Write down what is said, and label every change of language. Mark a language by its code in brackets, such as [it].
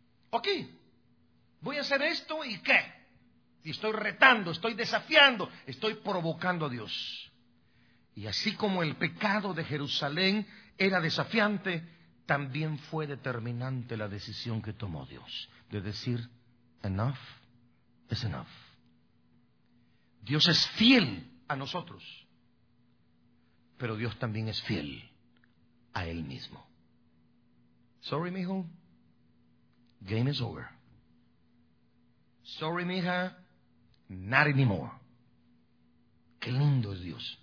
[es] Ok, voy a hacer esto y ¿qué? Y estoy retando, estoy desafiando, estoy provocando a Dios. Y así como el pecado de Jerusalén era desafiante, también fue determinante la decisión que tomó Dios. De decir, [en] enough is enough. [es] Dios es fiel a nosotros. Pero Dios también es fiel a Él mismo. [en] Sorry, mijo. Game is over. Sorry, mija. Not anymore. [es] Qué lindo es Dios.